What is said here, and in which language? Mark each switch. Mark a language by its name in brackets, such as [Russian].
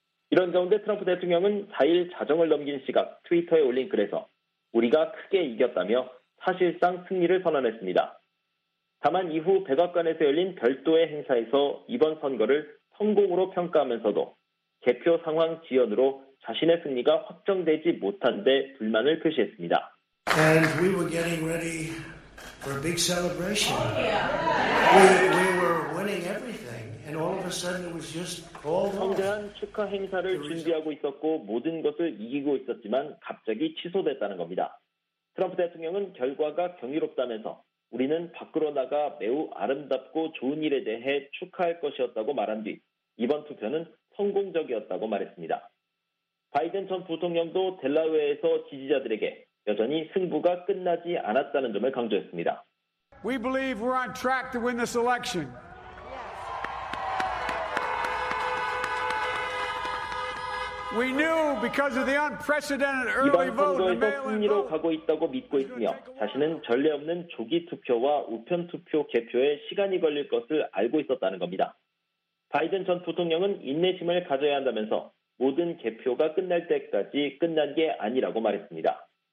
[Korean] 이런 가운데 트럼프 대통령은 4일 자정을 넘긴 시각 트위터에 올린 글에서 우리가 크게 이겼다며 사실상 승리를 선언했습니다. 다만 이후 백악관에서 열린 별도의 행사에서 이번 선거를 성공으로 평가하면서도 개표 상황 지연으로 자신의 승리가 확정되지 못한 데 불만을 표시했습니다. [English] And we were getting ready for a big celebration. We were winning everything. And all of a sudden it was just all gone. [Korean] 성대한 축하 행사를 준비하고 있었고 모든 것을 이기고 있었지만 갑자기 취소됐다는 겁니다. 트럼프 대통령은 결과가 경이롭다면서 우리는 밖으로 나가 매우 아름답고 좋은 일에 대해 축하할 것이었다고 말한 뒤 이번 투표는 성공적이었다고 말했습니다. 바이든 전 부통령도 델라웨어에서 지지자들에게 여전히 승부가 끝나지 않았다는 점을 강조했습니다. [English] We believe we're on track to win this election. We knew because of the unprecedented early vote. [Korean] 이번 선거에서 승리로 가고 있다고 믿고 있으며 자신은 전례 없는 조기 투표와 우편 투표 개표에 시간이 걸릴 것을 알고 있었다는 겁니다. 바이든 전 부통령은 인내심을 가져야 한다면서 모든 개표가 끝날 때까지 끝난 게 아니라고 말했습니다.